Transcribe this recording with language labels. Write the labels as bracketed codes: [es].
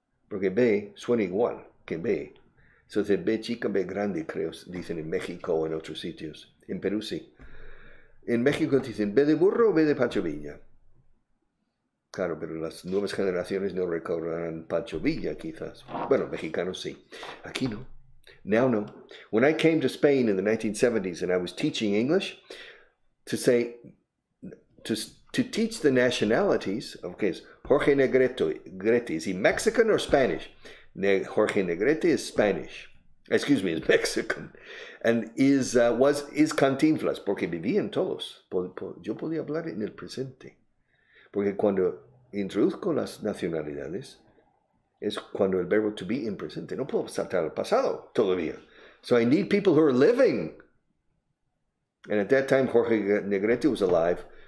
[es] Porque B suena igual que B. [en] So it's a [es] B chica, B grande, creo, dicen en México o en otros sitios. En Perú, sí. En México dicen, ¿ve de burro o ve de Pancho Villa? Claro, pero las nuevas generaciones no recordarán Pancho Villa, quizás. Bueno, mexicanos sí. Aquí no. [en] Now no. When I came to Spain in the 1970s and I was teaching English, to teach the nationalities, okay, it's Jorge Negrete, is he Mexican or Spanish? Jorge Negrete is Spanish. Excuse me, is Mexican. And is Cantinflas, [es] porque vivían todos. Yo podía hablar en el presente. Porque cuando introduzco las nacionalidades, es cuando el verbo to be en presente. No puedo saltar al pasado todavía. [en] So I need people who are living. And at that time, Jorge Negrete was alive.